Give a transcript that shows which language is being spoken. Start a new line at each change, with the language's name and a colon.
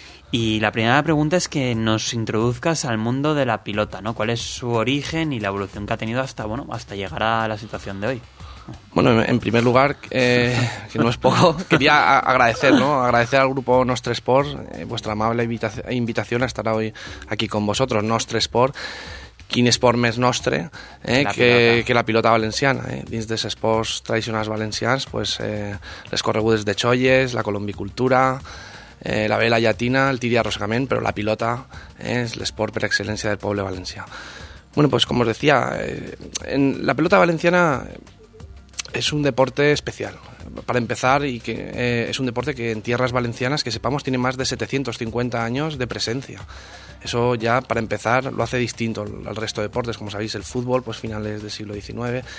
Spanish: Y la primera pregunta es que nos introduzcas al mundo de la pilota, ¿no? ¿Cuál es su origen y la evolución que ha tenido hasta llegar a la situación de hoy? Bueno, en primer lugar, que no es poco, quería agradecer, ¿no? Agradecer al grupo Nostre Sport vuestra amable invitación a estar hoy aquí con vosotros, Nostre Sport.
Catalan: Quin esport més nostre que la pilota valenciana. Dins dels esports tradicionals valencians, pues, les corregudes de xolles, la colombicultura, la vela llatina, el tir i arrossegament, però la pilota és l'esport per excel·lència del poble valencià.
Spanish: Bueno, pues como os decía, en la pilota valenciana es un deporte especial. Para empezar, y que es un deporte que en tierras valencianas, que sepamos, tiene más de 750 años de presencia. Eso ya, para empezar, lo hace distinto al resto de deportes. Como sabéis, el fútbol, pues finales del siglo XIX.